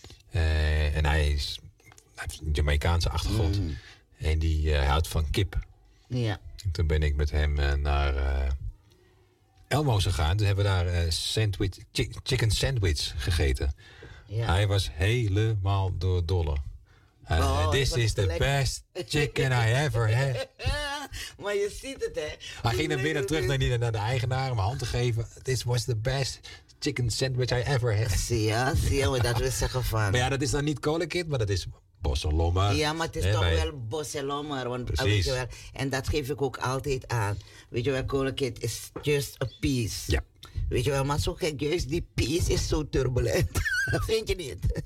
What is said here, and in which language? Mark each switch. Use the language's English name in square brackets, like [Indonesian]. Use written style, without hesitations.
[Dutch] En hij heeft een Jamaicaanse achtergrond. Mm. En die houdt van kip. Ja. En toen ben ik met hem naar Elmo's gegaan. Toen hebben we daar chicken sandwich gegeten. Ja. Hij was helemaal door dolle. [English] This is the best chicken I ever had. [Dutch] Maar je ziet het, hè? Hij ging naar binnen terug naar de eigenaar om hand te geven. [English] This was the best chicken sandwich I ever had. [Dutch] Zie je, maar dat wil zeggen van. Maar ja, dat is dan niet kolenkip, maar dat is bosselommer. Ja, maar het is toch wel bosselommer. Precies. Weet je wel, en dat geef ik ook altijd aan. Weet je wel, kolenkip [English] is just a piece. [Dutch] Ja. Weet je wel, maar zo gek, juist die pees is zo turbulent. Vind je niet?